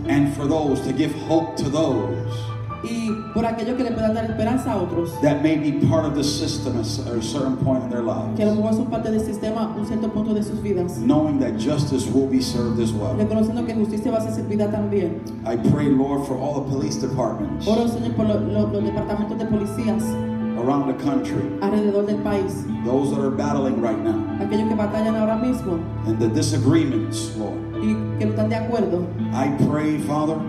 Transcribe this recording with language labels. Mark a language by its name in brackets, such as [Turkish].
[English] And for those, to give hope to those. [Spanish] Y por aquellos que le puedan dar esperanza a otros. [English] That may be part of the system at a certain point in their lives. [Spanish] Que a lo mejor son parte del sistema un cierto punto de sus vidas. [English] Knowing that justice will be served as well. [Spanish] Reconociendo que justicia va a ser servida también. [English] I pray, Lord, for all the police departments. [Spanish] Oro, Señor, por los departamentos de policías. [English] Around the country. [Spanish] Alrededor del país. [English] Those that are battling right now. [Spanish] Aquellos que batallan ahora mismo. [English] And the disagreements, Lord. [Spanish] Y que no están de acuerdo. [English] I pray, Father,